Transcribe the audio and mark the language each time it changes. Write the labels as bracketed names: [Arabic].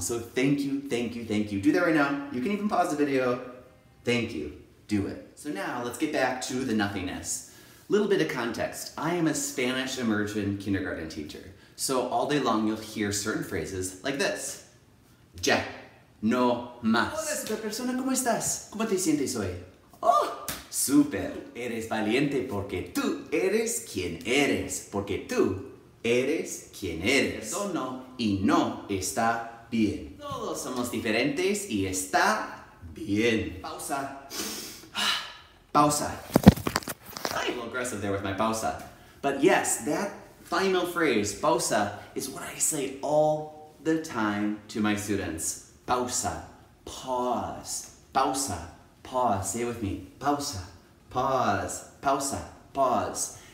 [English] So thank you, thank you, thank you. Do that right now. You can even pause the video. Thank you. Do it. So now let's get back to the nothingness. Little bit of context. I am a Spanish immersion kindergarten teacher. So all day long you'll hear certain phrases like this. [Spanish] Ya no más. Hola, super persona, ¿cómo estás? ¿Cómo te sientes hoy? [English] Oh, super. [Spanish] Eres valiente porque tú eres quien eres. Porque tú eres quien eres. Todo no. Y no está bien. Todos somos diferentes y está bien. Pausa. Pausa. [English] I'm a little aggressive there with my pausa. But yes, that final phrase, pausa, is what I say all the time to my students. Pausa. Pause. Pausa. Pause. Say it with me. Pausa. Pause. Pausa. Pause.